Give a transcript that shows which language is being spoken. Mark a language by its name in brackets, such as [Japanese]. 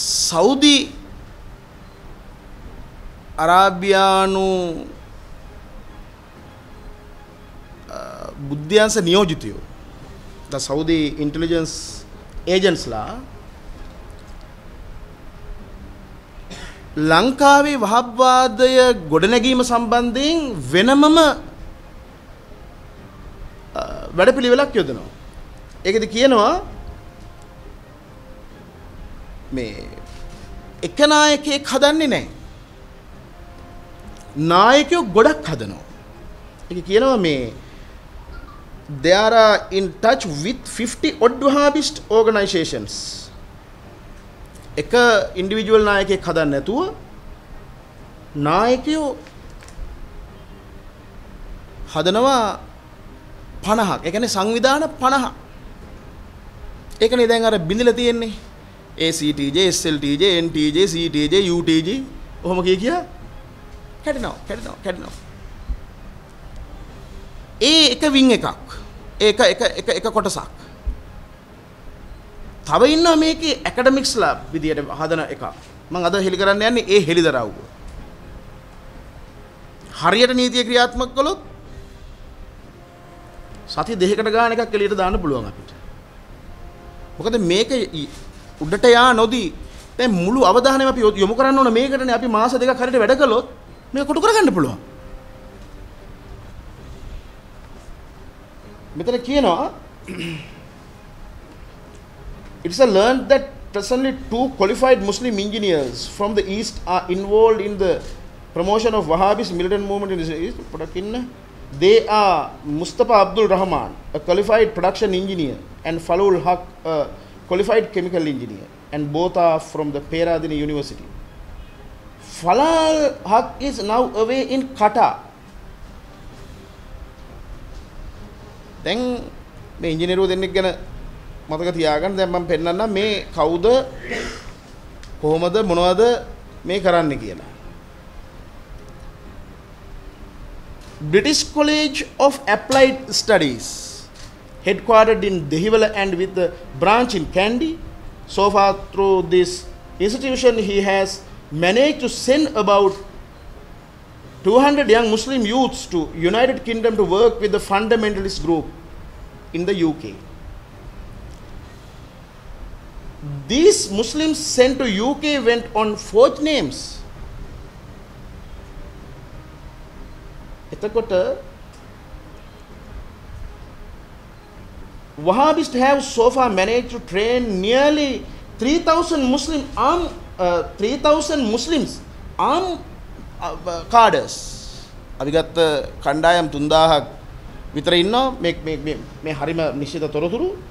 [Sinhala] Saudi අරාබියානු බුද්ධ්‍යංශ නියෝජිතයෝ ද Saudi intelligence ඒජන්ස්ලා ලංකාවේ වහබ්වාදය ගොඩනැගීම සම්බන්ධයෙන් වෙනමම වැඩපිළිවෙලක් යොදනවා. ඒකද කියනවා මේ එක නායකයෙක් හදන්නේ නැහැ. නායකයෝ ගොඩක් හදනවා. ඒක කියනවා මේ [English] they are in touch with 50 odd Wahhabist organizations. [Sinhala] එක ඉන්ඩිවිජුවල් නායකයෙක් හදන්නේ නැතුව නායකයෝ හදනවා 50ක්. ඒ කියන්නේ සංවිධාන 50. ඒකනේ දැන් අර බිඳිලා තියෙන්නේ. ACTJ, SLTJ, NTJ, CTJ, UTJ ඔහොම කිය කියා කැඩෙනවා. ඒ එක වින් එකක්. ඒක එක එක කොටසක්. තව ඉන්න මේකේ ඇකඩමික්ස්ලා විදියට හදන එක. මං අද හෙලි කරන්න යන්නේ ඒ හෙලිදරව්ව. හරියට නීතිය ක්‍රියාත්මක කළොත් සති දෙකකට ගාන එකක් එළියට දාන්න පුළුවන් අපිට. මොකද මේක උඩට යා නොදී දැන් මුළු අවධානයම අපි යොමු කරන්න ඕන මේකටනේ. අපි මාස දෙකක් හරියට වැඩ කළොත් මේක කොටු කරගන්න පුළුවන්. [English] මෙතන කියනවා it's a learned that presently two qualified muslim engineers from the east are involved in the promotion of wahhabis militant movement in the east. Product in they are mustafa abdul rahman a qualified production engineer and falul haq a qualified chemical engineer and both are from the peradeniya university. Falul haq is now away in qatar. [Sinhala] දැන් මේ ඉංජිනේරුව දෙන්නෙක් ගැන මතක තියාගන්න. දැන් මම පෙන්නන්නම් මේ කවුද කොහොමද මොනවද මේ කරන්නේ කියලා. [English] British College of Applied Studies headquartered in Dehiwala and with the branch in Kandy. So far through this institution he has managed to send about 200 young Muslim youths to United Kingdom to work with the fundamentalist group in the UK. These Muslims sent to UK went on forged names. [Sinhala] එතකොට [English] Wahhabists have so far managed to train nearly 3000 Muslim armed 3000 Muslims armed cadres. [Sinhala] අපි ගත්ත කණ්ඩායම් 3000ක් විතර ඉන්නවා මේ මේ මේ මේ හරිම නිශ්චිත තොරතුරු.